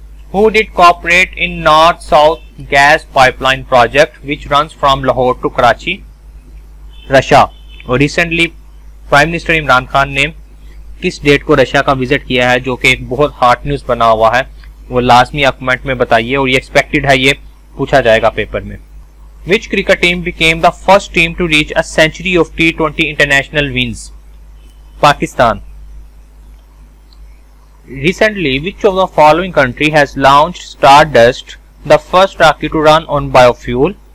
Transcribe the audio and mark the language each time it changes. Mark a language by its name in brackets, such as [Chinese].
[English] Who did cooperate in North-South gas pipeline project which runs from Lahore to Karachi? Russia. [Urdu] Recently, Prime Minister Imran Khan نے کس date کو Russia کا visit کیا ہے جو کہ ایک بہت ہاٹ نیوز بنا ہوا ہے, وہ لازمی اکمنٹ میں بتائیے اور یہ ایکسپیکٹڈ ہے, یہ پوچھا جائے گا پیپر میں. [English] Which cricket team became the first team to reach a century of T20 international wins? Pakistan. Recently, which of the following country has launched Stardust, the first rocket to run on biofuel?